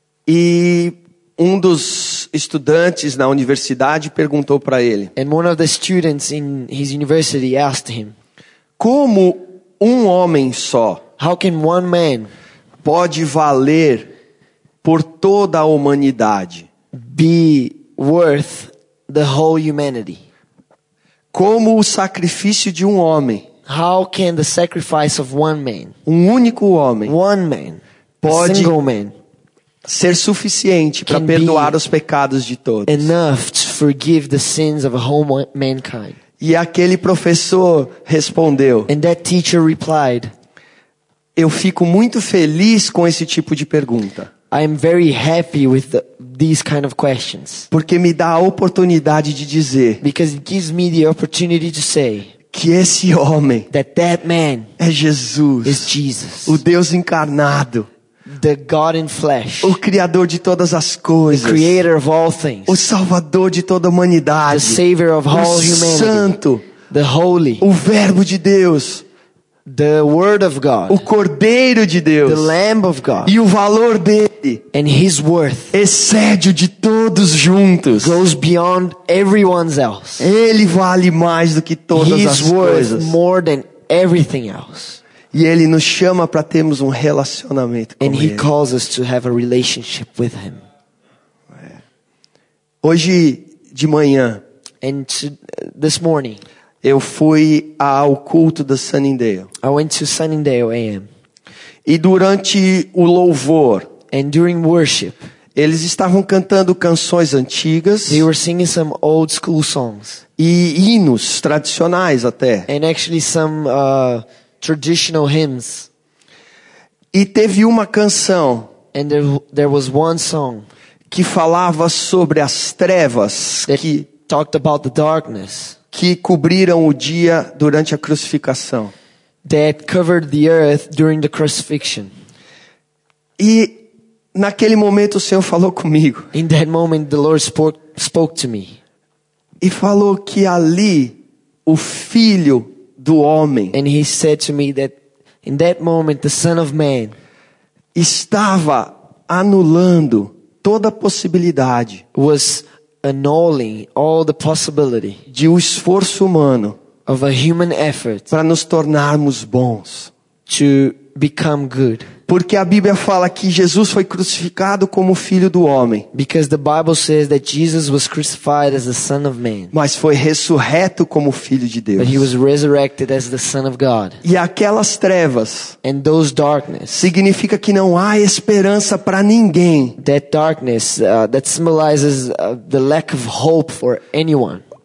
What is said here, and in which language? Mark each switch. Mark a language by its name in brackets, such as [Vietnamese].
[Portuguese] E um dos estudantes na universidade perguntou para ele. [English] And one of the students in his university asked him. [Portuguese] Como um homem só. [English] How can one man. [Portuguese] Pode valer. Por toda a humanidade. [English] Be worth the whole humanity. [Portuguese] Como o sacrifício de um homem. [English] How can the sacrifice of one man. [Portuguese] Um único homem. [English] One man. [Portuguese] Pode [English] a single man, [Portuguese] ser suficiente para perdoar os pecados de todos. [English] Enough to forgive the sins of a whole mankind. [Portuguese] E aquele professor respondeu. [English] And that teacher replied. [Portuguese] Eu fico muito feliz com esse tipo de pergunta. [English] I am very happy with these kind of questions. [Portuguese] Porque me dá a oportunidade de dizer. [English] Because it gives me the opportunity to say. [Portuguese] Que esse homem. [English] That man. [Portuguese] É Jesus. [English] Is Jesus. [Portuguese] O Deus encarnado. [English] The God in flesh. [Portuguese] O criador de todas as coisas. [English] The creator of all things. [Portuguese] O salvador de toda a humanidade. [English] The savior of all humanity. [Portuguese] O santo. [English] The holy. [Portuguese] O verbo de Deus. [English] The word of God. [Portuguese] O cordeiro de Deus. [English] The lamb of God. [Portuguese] E o valor dele. [English] And his worth. [Portuguese] Excede de todos juntos. [English] Goes beyond everyone else. [Portuguese] Ele vale mais do que todas [English] his [Portuguese] as coisas. [English] He's worth more than everything else. [Portuguese] E ele nos chama para termos um relacionamento com [English] and [Portuguese] ele. [English] And he calls us to have a relationship with him. [Portuguese] Hoje de manhã. [English] And this morning. [Portuguese] Eu fui ao culto da Sunningdale. [English] I went to Sunningdale AM. [Portuguese] E durante o louvor, [English] and during worship, [Portuguese] eles estavam cantando canções antigas. [English] They were singing some old school songs. [Portuguese] E hinos tradicionais até. [English] And actually some traditional hymns. [Portuguese] E teve uma canção. [English] And there was one song [Portuguese] que falava sobre as trevas que [English] talked about the darkness. [Portuguese] Que cobriram o dia durante a crucificação. [English] That covered the earth during the crucifixion. [Portuguese] E naquele momento o Senhor falou comigo. [English] In that moment the Lord spoke to me. [Portuguese] E falou que ali o filho do homem. [English] And he said to me that in that moment the Son of Man. [Portuguese] Estava anulando toda a possibilidade. [English] Was annulling all the possibility [Portuguese] de um esforço humano [English] of a human effort [Portuguese] para nos tornarmos bons. [English] To become good. [Portuguese] Porque a Bíblia fala que Jesus foi crucificado como filho do homem. [English] Because the Bible says that Jesus was crucified as the son of man. [Portuguese] Mas foi ressurreto como filho de Deus. [English] But he was resurrected as the son of God. [Portuguese] E aquelas trevas. [English] And those darkness. [Portuguese] Significa que não há esperança para ninguém. [English] That darkness that symbolizes the lack of hope for anyone.